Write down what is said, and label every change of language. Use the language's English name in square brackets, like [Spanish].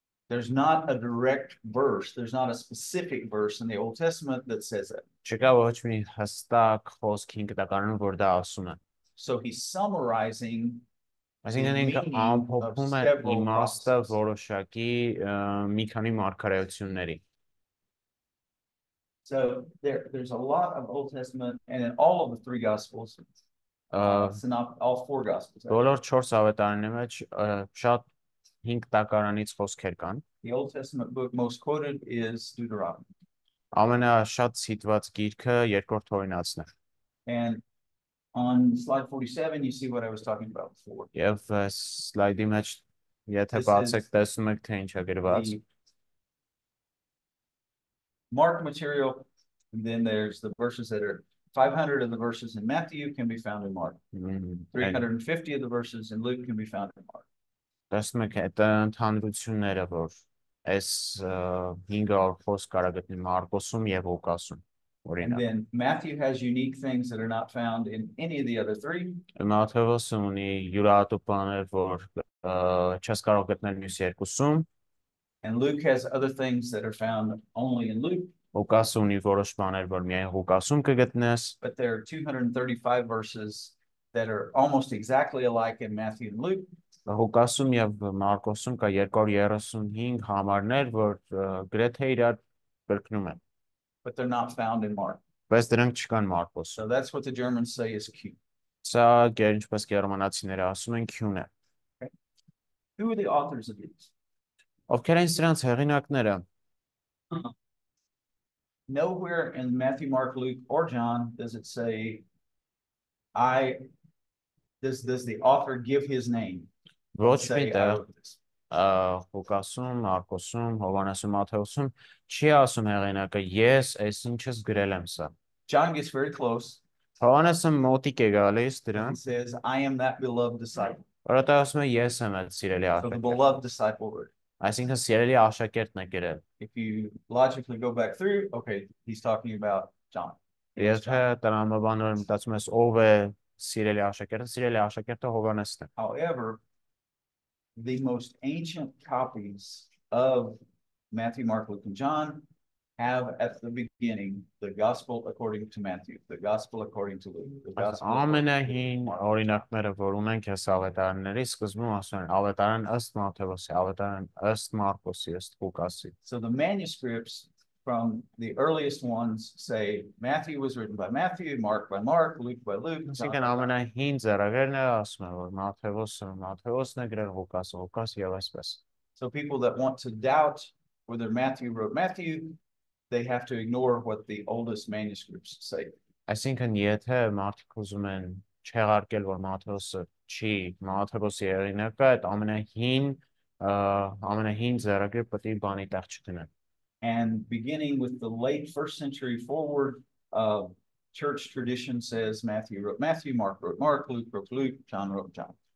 [English] There's not a direct verse, there's not a specific verse in the Old Testament that says it. [Armenian] Չկա ոչ մի հստակ խոսք հին կտակարանում, որ դա ասում է։ [English] So he's summarizing, [Armenian] այսինքն ինքը ամփոփում է իմաստը որոշակի մի քանի մարգարեությունների։ [English] So there's a lot of Old Testament and in all of the three gospels. All four gospels. [Armenian] Բոլոր 4 ավետարանի մեջ շատ հին կտակարանից խոսքեր կան։ [English] The Old Testament book most quoted is Deuteronomy. [Armenian] Ամենաշատ ցիտված գիրքը երկրորդ օրինացն է։ [English] And on slide 47 you see what I was talking about before. [Armenian] Եվ slide-ի մեջ եթե բացեք, տեսնում եք թե ինչ է գրված։ [English] Mark material, and then there's the verses that are 500 of the verses in Matthew can be found in Mark. 350 of the verses in Luke can be found in Mark. [Armenian] Տեսնում եք այդ ընդհանրությունները, որ այս 500 խոսք կարա գտնի Մարկոսում եւ Ուկասում, օրինակ։ [English] And then Matthew has unique things that are not found in any of the other three. [Armenian] Մաթեոսը ունի յուրահատուկ բաներ, որ չես կարող գտնել մյուս երկուսում։ [English] And Luke has other things that are found only in Luke. [Armenian] Ուկասը ունի որոշ բաներ, որ միայն Ուկասում կգտնես։ [English] But there are 235 verses that are almost exactly alike in Matthew and Luke. [Armenian] Ուկասում եւ Մարկոսում կա 235 համարներ, որ գրեթե իրար կրկնում են։ [English] But they're not found in Mark. [Armenian] Բայց դրանք չկան Մարկոսում։ [English] So that's what the Germans say is Q. [Armenian] Սա ինչպես գերմանացիները ասում են Q-ն է։ [English] Who are the authors of these? [Armenian] Ովքեր են սրանց հեղինակները? [English] Nowhere in Matthew, Mark, Luke or John does it say does the author give his name? [Armenian] Ոչ միտեղ Ղուկասում, Մարկոսում, Հովհաննեսում, Մաթեոսում չի ասում հեղինակը, ես այսինչս գրել եմ սա։ [English] John gets very close. [Armenian] Հովհաննեսը մոտիկ է գալիս դրան։ [English] He says, I am that beloved disciple. [Armenian] Որտեղ ասում է, ես եմ այդ սիրելի աշակերտը։ [English] So the beloved disciple word. [Armenian] Այսինքն սիրելի աշակերտն է գրել։ [English] If you logically go back through, okay, he's talking about John. [Armenian] Ես թե տրամաբանորը մտածում ես, ով է սիրելի աշակերտը, սիրելի աշակերտը Հովհաննեսն է։ [English] However, the most ancient copies of Matthew, Mark, Luke, and John have at the beginning the gospel according to Matthew, the gospel according to Luke, the gospel [Armenian] ամենահին օրինակները որ ունենք ես ավետարանների սկզբում ասում են ավետարան ըստ Մատթեոսի, ավետարան ըստ Մարկոսի, ըստ Լուկասի. [English] So the manuscripts from the earliest ones say Matthew was written by Matthew, Mark by Mark, Luke by Luke. [Armenian] Ասինքն ամենահին ձեռագրերն ասում են որ Մատթեոսը Մատթեոսն է գրել, Լուկասը Լուկասը եւ այսպես. [English] So people that want to doubt whether Matthew wrote Matthew, they have to ignore what the oldest manuscripts say. [Armenian] Այսինքն եթե մարդիկ ուզում են չեղարկել որ Մատթեոսը չի, Մատթեոսի հեղինակը, այդ ամենահին ձեռագրերը պետք է բանի տեղ չդնեն. [English] And beginning with the late first century forward, church tradition says Matthew wrote Matthew, Mark wrote Mark, Luke wrote Luke, John wrote John.